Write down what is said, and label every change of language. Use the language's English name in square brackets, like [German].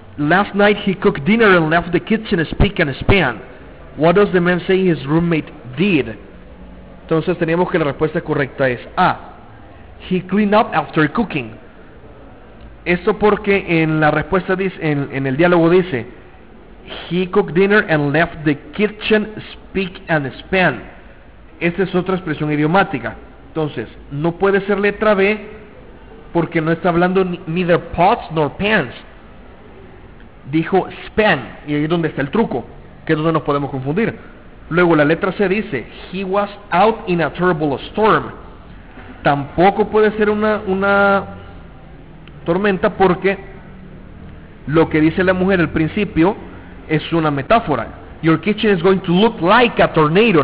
[English] Last night he cooked dinner and left the kitchen spick and span. What does the man say his roommate did? [Spanish] Entonces teníamos que la respuesta correcta es A. [English] He cleaned up after cooking. [Spanish] Esto porque en la respuesta dice, en el diálogo dice, [English] he cooked dinner and left the kitchen spick and span. [Spanish] Esta es otra expresión idiomática. Entonces, no puede ser letra B porque no está hablando [English] neither pots nor pans. [Spanish] Dijo span, y ahí es donde está el truco, que es donde nos podemos confundir. Luego la letra C dice, [English] he was out in a terrible storm. [Spanish] Tampoco puede ser una tormenta porque lo que dice la mujer al principio es una metáfora. [English] Your kitchen is going to look like a tornado.